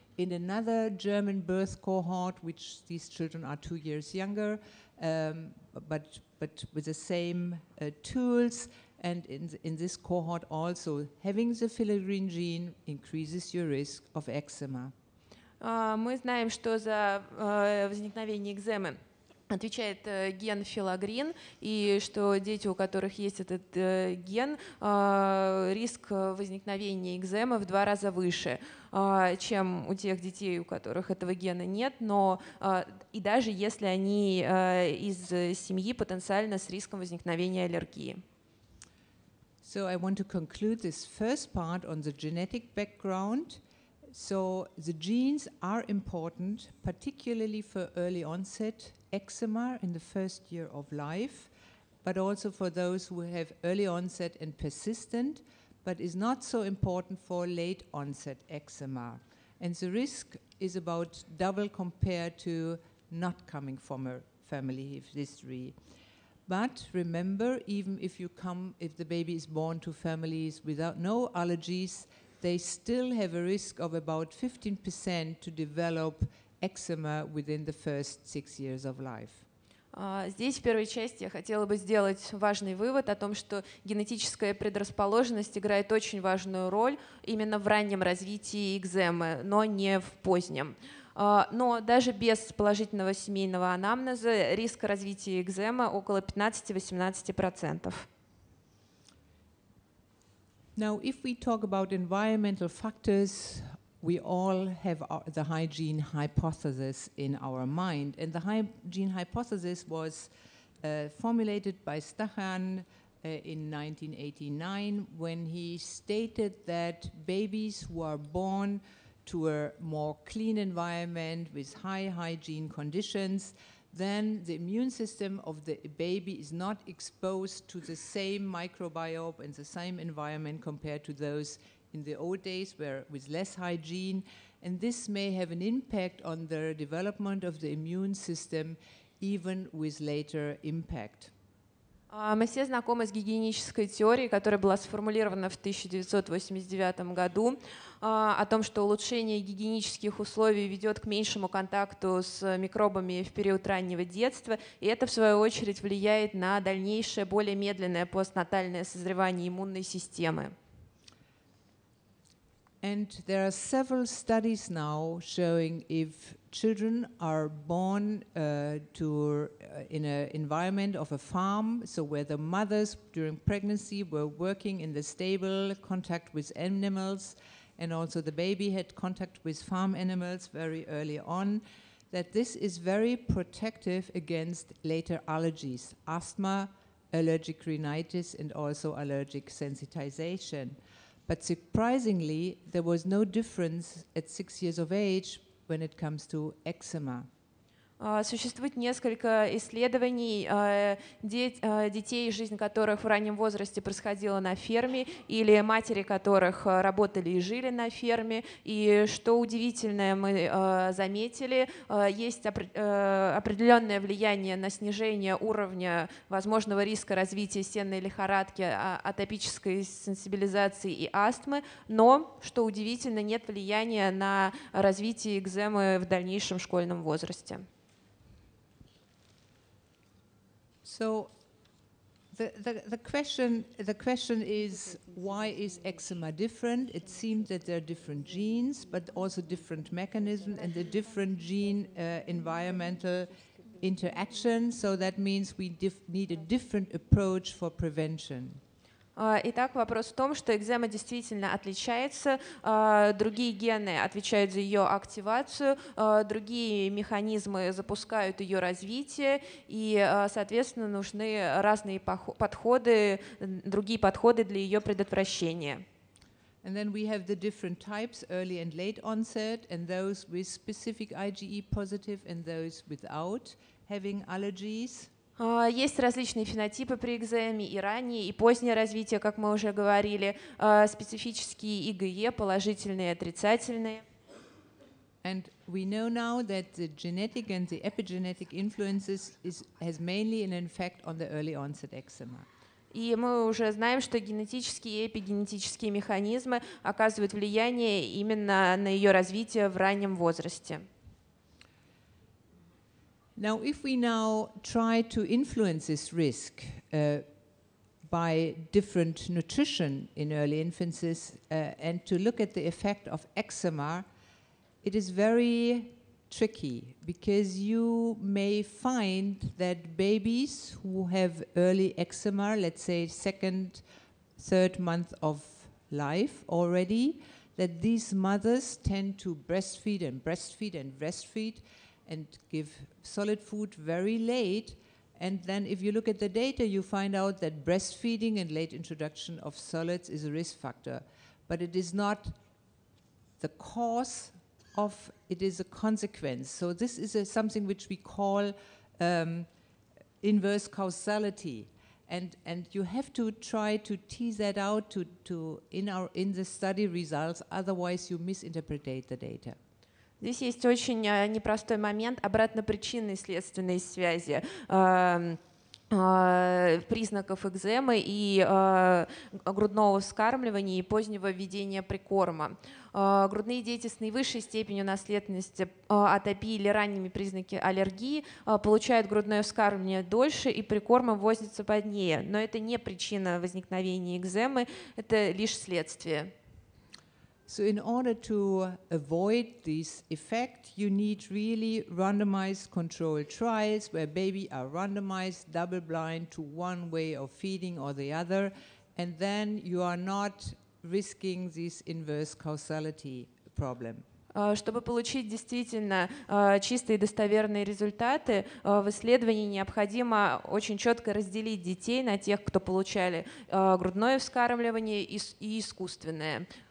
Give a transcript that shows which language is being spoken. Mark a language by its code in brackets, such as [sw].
[en] In another German birth cohort, which these children are 2 years younger, but with the same tools, and in this cohort also, having the filaggrin gene increases your risk of eczema. [ru] Мы знаем, что за возникновение экземы отвечает ген филагрин, и что дети, у которых есть этот ген, риск возникновения экземы в 2 раза выше, чем у тех детей, у которых этого гена нет, но и даже если они из семьи потенциально с риском возникновения аллергии. [en] So I want to conclude this first part on the genetic background. So the genes are important, particularly for early onset eczema in the first year of life, but also for those who have early onset and persistent, but is not so important for late onset eczema. And the risk is about double compared to not coming from a family history. But remember, even if you come, if the baby is born to families without no allergies, they still have a risk of about 15% to develop eczema within the first 6 years of life. [ru] Здесь, в первой части, я хотела бы сделать важный вывод о том, что генетическая предрасположенность играет очень важную роль именно в раннем развитии экземы, но не в позднем. Но даже без положительного семейного анамнеза риск развития экземы около 15-18%. [en] Now, if we talk about environmental factors, we all have the hygiene hypothesis in our mind. And the hygiene hypothesis was formulated by Stachan in 1989 when he stated that babies who are born to a more clean environment with high hygiene conditions, then the immune system of the baby is not exposed to the same microbiome and the same environment compared to those in the old days where with less hygiene. And this may have an impact on the development of the immune system even with later impact. [ru] Мы все знакомы с гигиенической теорией, которая была сформулирована в 1989 году, о том, что улучшение гигиенических условий ведет к меньшему контакту с микробами в период раннего детства, и это, в свою очередь, влияет на дальнейшее, более медленное постнатальное созревание иммунной системы. [en] And there are several studies now showing if children are born in an environment of a farm, so where the mothers during pregnancy were working in the stable, contact with animals, and also the baby had contact with farm animals very early on, that this is very protective against later allergies, asthma, allergic rhinitis, and also allergic sensitization. But surprisingly, there was no difference at 6 years of age when it comes to eczema. [ru] Существует несколько исследований детей, жизнь которых в раннем возрасте происходила на ферме, или матери которых работали и жили на ферме. И что удивительное мы заметили, есть определенное влияние на снижение уровня возможного риска развития сенной лихорадки, атопической сенсибилизации и астмы, но, что удивительно, нет влияния на развитие экземы в дальнейшем школьном возрасте. [en] So the question is, why is eczema different? It seems that there are different genes, but also different mechanisms and the different gene environmental interactions. So that means we need a different approach for prevention. [ru] Итак, вопрос в том, что экзема действительно отличается. Другие гены отвечают за ее активацию, другие механизмы запускают ее развитие, и, соответственно, нужны разные подходы, другие подходы для ее предотвращения. [en] And then we have the different types, early and late onset, and those with specific IgE positive and those without having allergies. [ru] Есть различные фенотипы при экземе, и раннее, и позднее развитие, как мы уже говорили, специфические IgE, положительные и отрицательные. [en] And we know now that the genetic and the epigenetic influences has mainly an effect on the early onset eczema. [ru] И мы уже знаем, что генетические и эпигенетические механизмы оказывают влияние именно на ее развитие в раннем возрасте. [en] Now, if we now try to influence this risk by different nutrition in early infancy and to look at the effect of eczema, it is very tricky because you may find that babies who have early eczema, let's say second, third month of life already, that these mothers tend to breastfeed and breastfeed and breastfeed and give solid food very late. And then if you look at the data, you find out that breastfeeding and late introduction of solids is a risk factor. But it is not the cause of, it is a consequence. So this is something which we call inverse causality. And you have to try to tease that out in the study results, otherwise you misinterpret the data. [ru] Здесь есть очень непростой момент обратно-причинной следственной связи признаков экземы и грудного вскармливания и позднего введения прикорма. Грудные дети с наивысшей степенью наследственности атопии или ранними признаками аллергии получают грудное вскармливание дольше и прикорма возится позднее. Но это не причина возникновения экземы, это лишь следствие. [en] So in order to avoid this effect, you need really randomized controlled trials where babies are randomized double blind to one way of feeding or the other, and then you are not risking this inverse causality problem. [ru] Чтобы получить действительно чистые и достоверные результаты, в исследовании необходимо очень четко разделить детей на тех, кто получали грудное вскармливание и искусственное.